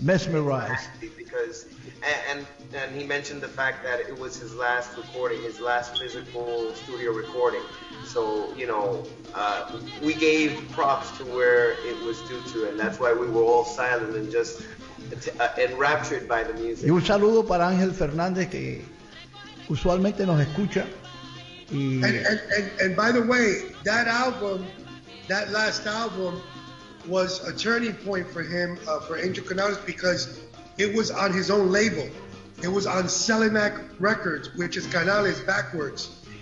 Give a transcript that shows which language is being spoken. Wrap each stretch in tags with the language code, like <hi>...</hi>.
<en>Because, and he mentioned the fact that it was his last recording, his last physical studio recording. So, you know, we gave props to where it was due to, and that's why we were all silent and just enraptured by the music.</en> <es>Y un saludo para Ángel Fernández, que usualmente nos escucha.</es> <en>And by the way, that album, that last album, was a turning point for him, for Angel Canales, because it was on his own label. It was on Selenac Records, which is Canales backwards.</en>